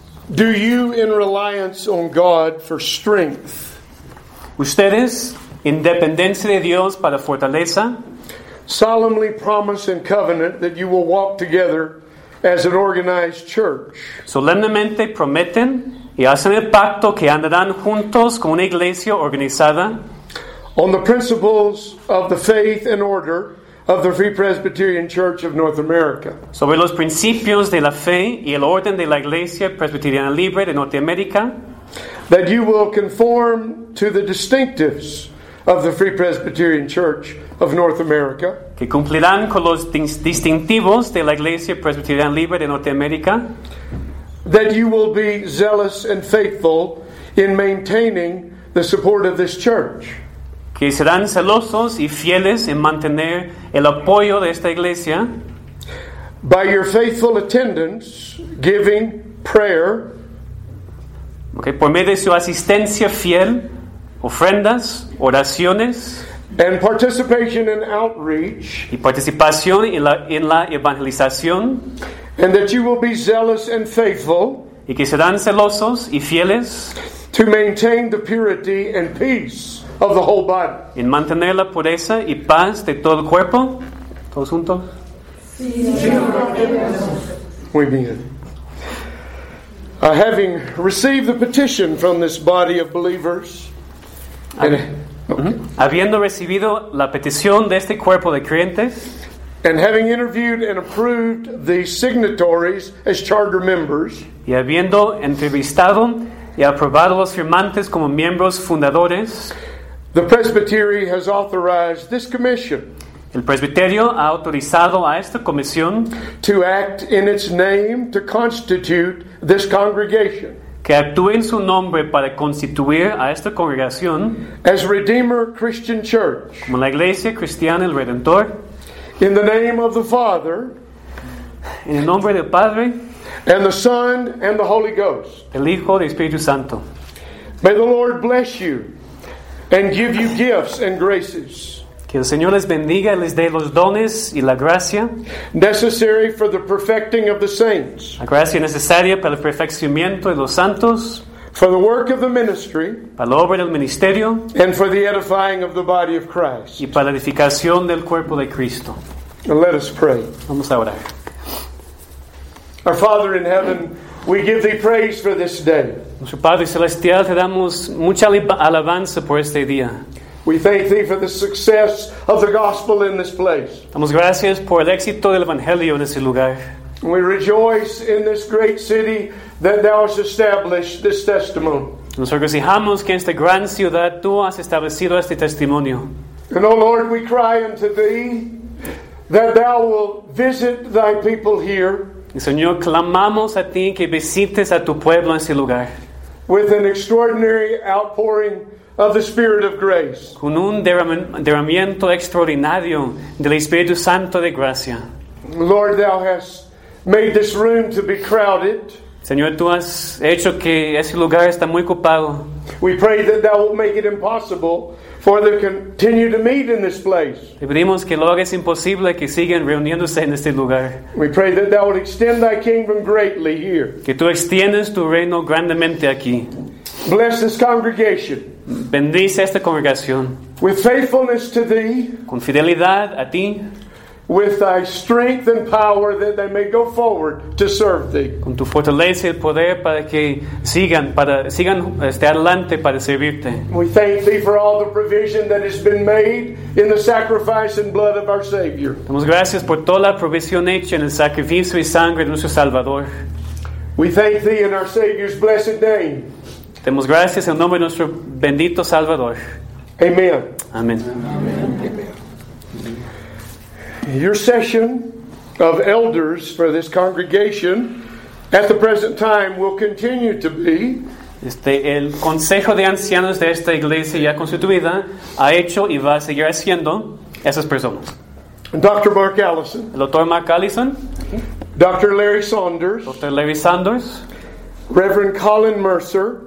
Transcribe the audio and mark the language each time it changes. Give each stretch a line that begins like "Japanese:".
English: Do you in reliance on God for strength?
Spanish: Ustedes, independencia de Dios para fortaleza,
English: solemnly promise and covenant that you will walk together as an organized church.
Spanish: Solemnemente prometen y hacen el pacto que andarán juntos como una iglesia organizada.
English: On the principles of the faith and order of the Free Presbyterian Church of North America.
Spanish: Sobre los principios de la fe y el orden de la Iglesia Presbiteriana Libre de Norteamérica.
English: That you will conform to the distinctives of the Free Presbyterian Church of North America.
Spanish: Que cumplirán con los distintivos de la Iglesia Presbiteriana Libre de Norteamérica.
English: That you will be zealous and faithful in maintaining the support of this church.
Spanish: Que serán celosos y fieles en mantener el apoyo de esta iglesia.
English: By your faithful attendance, giving, prayer.
Spanish: Okay, por medio de su asistencia fiel, ofrendas, oraciones.
English: And participation in outreach.
Spanish: Y participación en la evangelización.
English: And that you will be zealous and faithful.
Spanish: Y que serán celosos y fieles.
English: To maintain the purity and peace of the whole body.
Spanish: En mantener la pureza y paz de todo el cuerpo. ¿Todos juntos? Sí. Muy bien.
English: Having received the petition from this body of believers.
Spanish: Habiendo recibido la petición de este cuerpo de creyentes.
English: And having interviewed and approved the signatories as charter members.
Spanish: Y habiendo entrevistado y aprobado los firmantes como miembros fundadores.
English: The Presbytery has authorized this commission.
Spanish: El presbiterio ha autorizado a esta comisión
English: to act in its name to constitute this congregation.
Spanish: Que actúe en su nombre para constituir a esta congregación
English: as Redeemer Christian Church.
Spanish: Como la Iglesia Cristiana el Redentor.
English: In the name of the Father.
Spanish: En el nombre del Padre.
English: And the Son and the Holy Ghost.
Spanish: El Hijo y el Espíritu Santo.
English: May the Lord bless you. And give you gifts and graces.
Spanish: Que el Señor les bendiga y les dé los dones y la gracia.
English: Necessary for the perfecting of the saints.
Spanish: La gracia necesaria para el perfeccionamiento de los santos.
English: For the work of the ministry.
Spanish: Para la obra del ministerio.
English: And for the edifying of the body of Christ.
Spanish: Y para la edificación del cuerpo de Cristo.
English: And let us pray.
Spanish: Vamos a orar.
English: Our Father in heaven, we give thee praise for this day.
Spanish: Nuestro Padre Celestial, te damos mucha alabanza por este día.
English: We thank thee for the success of the gospel in this place.
Spanish: Damos gracias por el éxito del evangelio en este lugar.
English: We rejoice in this great city that thou hast established this testimony.
Spanish: Nos regocijamos que en esta gran ciudad tú has establecido este testimonio.
English: And O Lord, we cry unto thee that thou will visit thy people here.
Spanish: Señor, clamamos a ti que visites a tu pueblo en ese lugar.
English: With an extraordinary outpouring of the Spirit of grace.
Spanish: Con un derramamiento extraordinario del Espíritu Santo de gracia.
English: Lord, thou hast made this room to be crowded.
Spanish: Señor, tú has hecho que ese lugar está muy ocupado.
English: We pray that thou wilt make it impossible for them to continue to meet in this place.
Spanish: Le pedimos que lo hagas imposible que sigan reuniéndose en este lugar.
English: We pray that thou would extend thy kingdom greatly here.
Spanish: Que tú extiendas tu reino grandemente aquí.
English: Bless this congregation.
Spanish: Bendice esta congregación.
English: With faithfulness to thee.
Spanish: Con fidelidad a ti.
English: With thy strength and power that they may go forward to serve thee.
Spanish: Con tu fortaleza y poder para que sigan adelante para servirte.
English: We thank thee for all the provision that has been made in the sacrifice and blood of our Savior.
Spanish: Damos gracias por toda la provisión hecha en el sacrificio y sangre de nuestro Salvador.
English: We thank thee in our Savior's blessed name.
Spanish: Damos gracias en nombre de nuestro bendito Salvador.
English: Amen.
Spanish: Amen. Amen.
English: Your session of elders for this congregation at the present time will continue to be.
Spanish: El consejo de ancianos de esta iglesia ya constituida ha hecho y va a seguir haciendo esas personas.
English: Dr. Mark Allison.
Spanish: El Dr. Mark Allison.
English: Dr. Larry Saunders.
Spanish: Dr. Larry Saunders.
English: Reverend Colin Mercer.